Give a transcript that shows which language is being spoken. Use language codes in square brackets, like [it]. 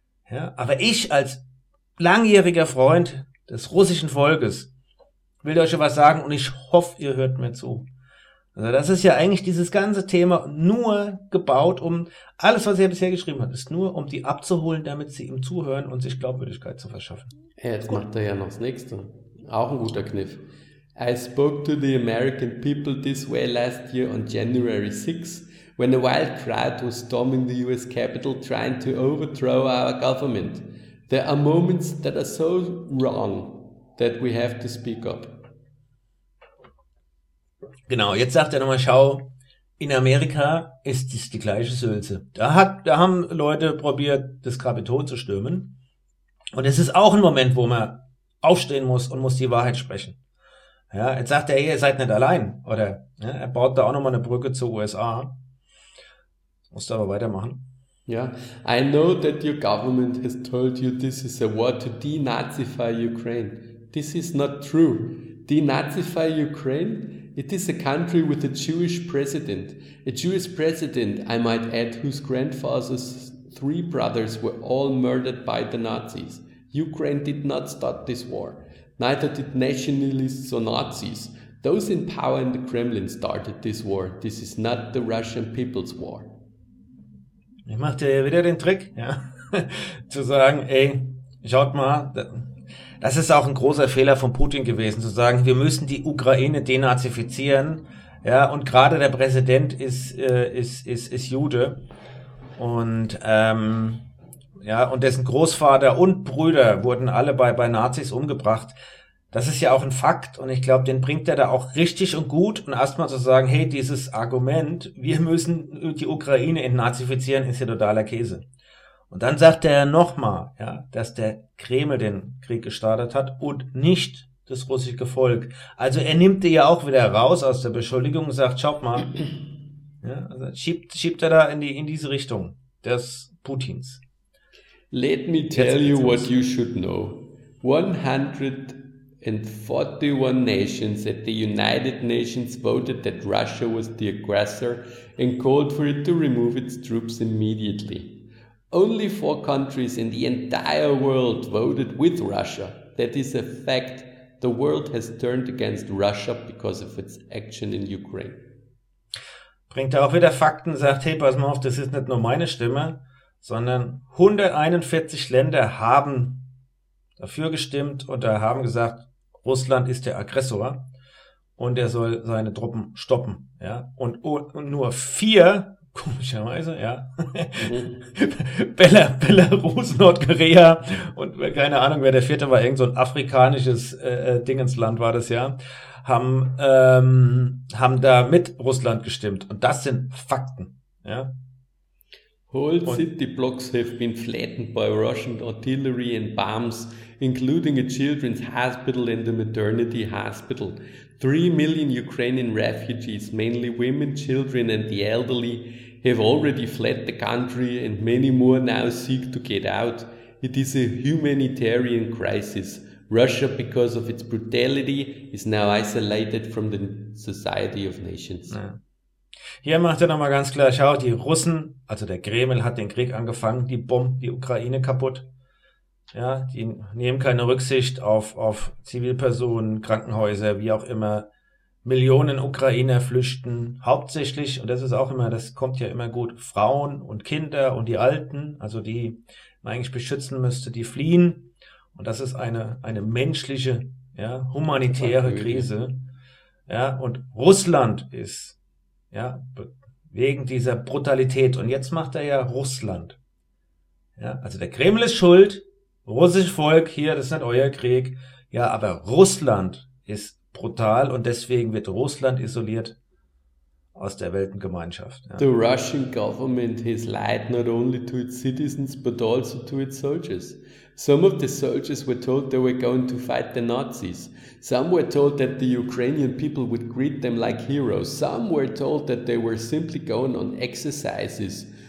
[de] Ja, aber ich als langjähriger Freund des russischen Volkes will euch was sagen und ich hoffe, ihr hört mir zu. Also das ist ja eigentlich dieses ganze Thema nur gebaut, um alles, was er bisher geschrieben hat, ist nur, um die abzuholen, damit sie ihm zuhören und sich Glaubwürdigkeit zu verschaffen. Ja, jetzt macht er ja noch das Nächste. Auch ein guter Kniff. [en] I spoke to the American people this way last year on January 6, when a wild crowd was storming the US Capitol trying to overthrow our government. There are moments that are so wrong that we have to speak up. [de] Genau, jetzt sagt er nochmal, schau, in Amerika ist es die gleiche Sülze. Da haben Leute probiert, das Kapitol zu stürmen. Und es ist auch ein Moment, wo man aufstehen muss und muss die Wahrheit sprechen. Ja, jetzt sagt er, ihr seid nicht allein. Oder ja, er baut da auch nochmal eine Brücke zur USA. Musst du aber weitermachen. [en] Ja, yeah. I know that your government has told you this is a war to denazify Ukraine. This is not true. Denazify Ukraine? It is a country with a Jewish president. A Jewish president, I might add, whose grandfather's three brothers were all murdered by the Nazis. Ukraine did not start this war. Neither did nationalists or Nazis. Those in power in the Kremlin started this war. This is not the Russian people's war. [de] Ich mach dir wieder den Trick, ja, zu sagen, ey, schaut mal, das ist auch ein großer Fehler von Putin gewesen, zu sagen, wir müssen die Ukraine denazifizieren, ja, und gerade der Präsident ist Jude und ja, und dessen Großvater und Brüder wurden alle bei Nazis umgebracht. Das ist ja auch ein Fakt und ich glaube, den bringt er da auch richtig und gut. Und erstmal zu sagen, hey, dieses Argument, wir müssen die Ukraine entnazifizieren, ist ja totaler Käse. Und dann sagt er nochmal, ja, dass der Kreml den Krieg gestartet hat und nicht das russische Volk. Also er nimmt die ja auch wieder raus aus der Beschuldigung und sagt, schaut mal, ja, also schiebt er da in diese Richtung des Putins. [en] Let me tell you what you should know. 141 nations at the United Nations voted that Russia was the aggressor and called for it to remove its troops immediately. Only 4 countries in the entire world voted with Russia. That is a fact. The world has turned against Russia because of its action in Ukraine. [de] Bringt auch wieder Fakten, sagt, hey, pass mal auf, das ist nicht nur meine Stimme, sondern 141 Länder haben dafür gestimmt und da haben gesagt, Russland ist der Aggressor und er soll seine Truppen stoppen. Ja? Und nur 4 Komischerweise, ja. Mhm. Belarus, Nordkorea und keine Ahnung, wer der vierte war, irgend so ein afrikanisches Dingensland war das ja, haben da mit Russland gestimmt. Und das sind Fakten, ja. [en] Whole city blocks have been flattened by Russian artillery and bombs, including a children's hospital and a maternity hospital. 3 million Ukrainian refugees, mainly women, children and the elderly, have already fled the country and many more now seek to get out. It is a humanitarian crisis. Russia, because of its brutality, is now isolated from the society of nations. [de] Ja. Hier macht er nochmal ganz klar, schau, die Russen, also der Kreml hat den Krieg angefangen, die bomben die Ukraine kaputt. Ja, die nehmen keine Rücksicht auf Zivilpersonen, Krankenhäuser, wie auch immer. Millionen Ukrainer flüchten hauptsächlich, und das ist auch immer, das kommt ja immer gut, Frauen und Kinder und die Alten, also die man eigentlich beschützen müsste, die fliehen. Und das ist eine menschliche, ja, humanitäre Krise. Ja, und Russland ist, ja, wegen dieser Brutalität. Und jetzt macht er ja Russland. Ja, also der Kreml ist schuld, russisches Volk hier, das ist nicht euer Krieg. Ja, aber Russland ist brutal und deswegen wird Russland isoliert aus der Weltengemeinschaft. Ja. [en] The Russian government has lied not only to its citizens, but also to its soldiers. Some of the soldiers were told they were going to fight the Nazis. Some were told that the Ukrainian people would greet them like heroes. Some were told that they were simply going on exercises.